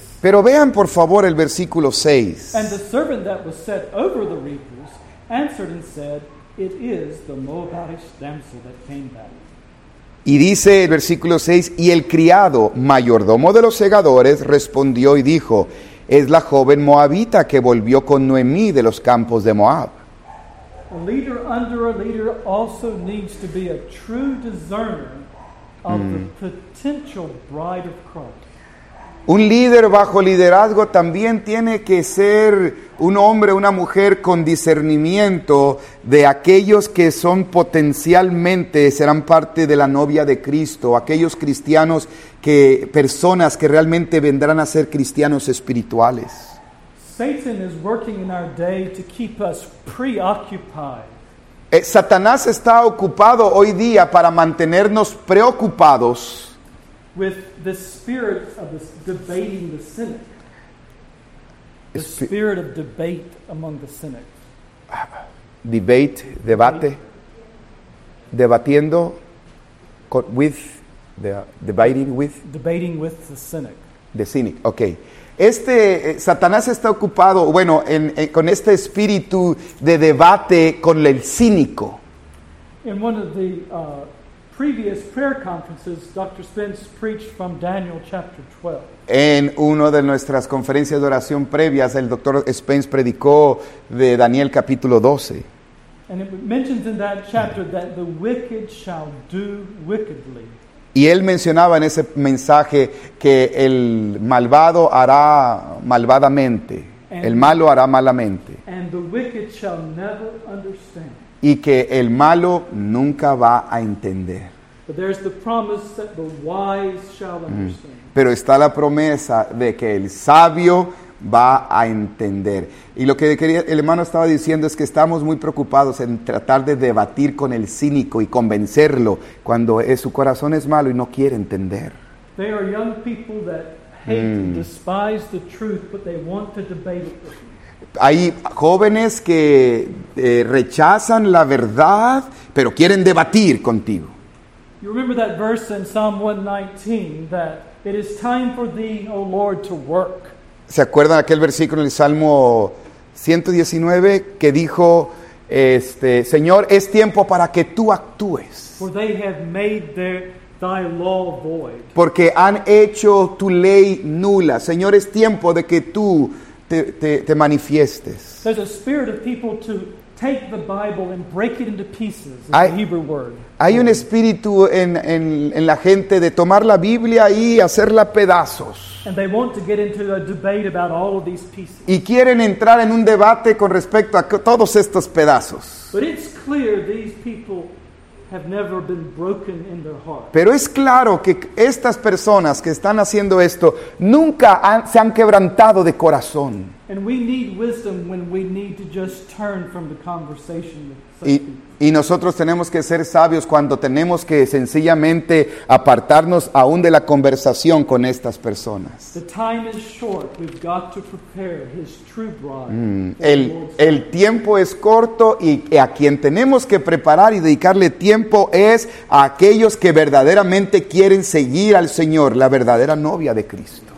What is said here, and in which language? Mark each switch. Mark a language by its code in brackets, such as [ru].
[es] Pero vean por favor el versículo 6. [en] And the servant that was set over the reapers answered and said, It is the Moabitish damsel that came back. [es] Y dice el versículo 6, y el criado, mayordomo de los segadores, respondió y dijo, es la joven moabita que volvió con Noemí de los campos de Moab. [en] A leader under a leader also needs to be a true discerner of the potential bride of Christ. [es] Un líder bajo liderazgo también tiene que ser un hombre, una mujer con discernimiento de aquellos que son potencialmente, serán parte de la novia de Cristo, aquellos cristianos, que personas que realmente vendrán a ser cristianos espirituales. [en] Satan is working in our day to keep us preoccupied. [es] Satanás está ocupado hoy día para mantenernos preocupados. [en] With the spirit of this debating the cynic. The spirit of debate among the cynic. Debate, debate. [es] Debatiendo [en] with the debating with. Debating with the cynic. The cynic, okay. [es] Satanás está ocupado, bueno, con este espíritu de debate con el cínico. [en] In one of the previous prayer conferences, Dr. Spence preached from Daniel chapter 12. [es] En una de nuestras conferencias de oración previas, el Dr. Spence predicó de Daniel capítulo 12. [en] And it mentions in that chapter that the wicked shall do wickedly. [es] Y él mencionaba en ese mensaje que el malvado hará malvadamente. El malo hará malamente. [en] And the wicked shall never understand. [es] Y que el malo nunca va a entender. [en] But there's the promise that the wise shall understand. [es] Pero está la promesa de que el sabio va a entender. Y lo que el hermano estaba diciendo es que estamos muy preocupados en tratar de debatir con el cínico y convencerlo cuando su corazón es malo y no quiere entender. [en] They are young people that hate and despise the truth, but they want to debate it with you. [es] Hay jóvenes que rechazan la verdad, pero quieren debatir contigo. [en] You remember that verse in Psalm 119 that it is time for thee, O Lord, to work. [es] ¿Se acuerdan aquel versículo en el Salmo 119 que dijo, Señor, es tiempo para que tú actúes? [en] For they have made thy law void. [es] Porque han hecho tu ley nula. Señor, es tiempo de que tú te manifiestes. [en] There's a spirit of people to take the Bible and break it into pieces. [es] Hay, [en] the Hebrew word. [es] Hay un espíritu en la gente de tomar la Biblia y hacerla pedazos. [en] And they want to get into a debate about all of these pieces. [es] Y quieren entrar en un debate con respecto a todos estos pedazos. [en] But it's clear these people have never been broken in their heart. [es] Pero es claro que estas personas que están haciendo esto nunca se han quebrantado de corazón. [en] And we need wisdom when we need to just turn from the conversation. [es] Y nosotros tenemos que ser sabios cuando tenemos que sencillamente apartarnos aún de la conversación con estas personas. [en] The time is short. We've got to prepare his true bride. [es] El tiempo es corto y a quien tenemos que preparar y dedicarle tiempo es a aquellos que verdaderamente quieren seguir al Señor, la verdadera novia de Cristo.